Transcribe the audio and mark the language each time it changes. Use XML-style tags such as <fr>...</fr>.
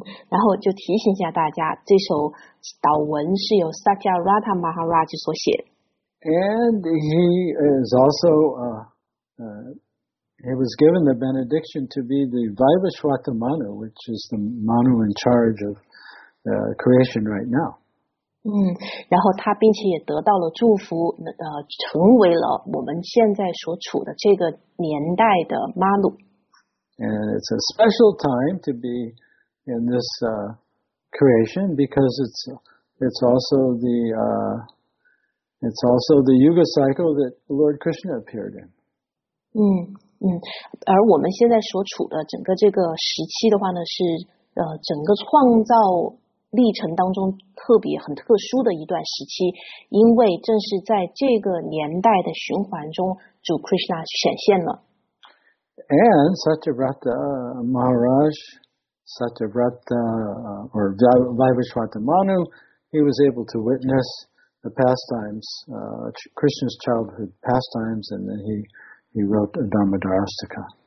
<zh>然后就提醒一下大家，这首祷文是由 Satyavrata Maharaj 所写。</zh> <en>And he is also he was given the benediction to be the Vaivashvata Manu, which is the Manu in charge of creation right now.</en> <zh>然后他并且也得到了祝福，成为了我们现在所处的这个年代的 Manu.</zh> <en>And it's a special time to be in this creation because it's also the Yuga cycle that Lord Krishna appeared in.</en> <zh>而我们现在所处的整个这个时期的话呢，是整个创造历程当中特别很特殊的一段时期，因为正是在这个年代的循环中，主 Krishna 显现了。</zh> <en>And Satyavrata Maharaj, Satyavrata or Vaivashvata Manu, he was able to witness the pastimes, Krishna's childhood pastimes, and then he wrote a Dharmadharastika.</en>